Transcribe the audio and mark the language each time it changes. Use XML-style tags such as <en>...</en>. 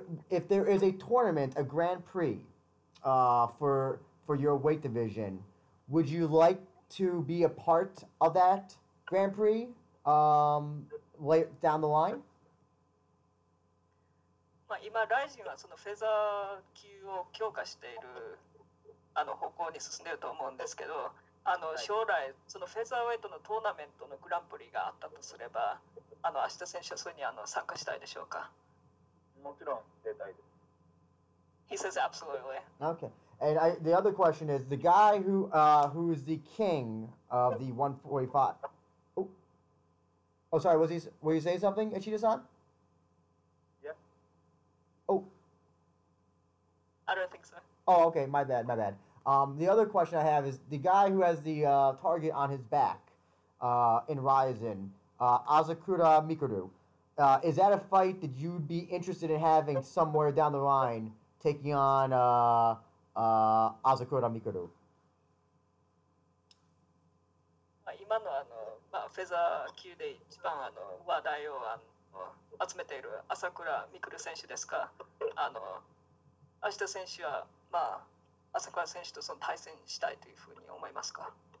<en>If there is a tournament, a Grand Prix, for your weight division, would you like to be a part of that Grand Prix down the line?</en> <ja>まあ今ライジンはそのフェザー級を強化しているあの方向に進んでいると思うんですけど、あの将来そのフェザーウェイトのトーナメントのグランプリがあったとすれば、あの明日選手はそれにあの参加したいでしょうか。もちろん出たいです</ja> <en>。 He says absolutely. Okay. And the other question is, the guy who is the king of the 145... Oh, sorry, were you saying something, Ishida-san? Yeah. Oh. I don't think so. Oh, okay, my bad. The other question I have is, the guy who has the target on his back in Ryzen, Asakura Mikuru, is that a fight that you'd be interested in having somewhere down the line, taking on... Asakura Mikuru.</en> <ja>今のあの、まあ、フェザー級で一番あの話題をあの集めている朝倉未来選手ですか。あの明日選手はまあ朝倉選手とその対戦したいというふうに思いますか。</ja>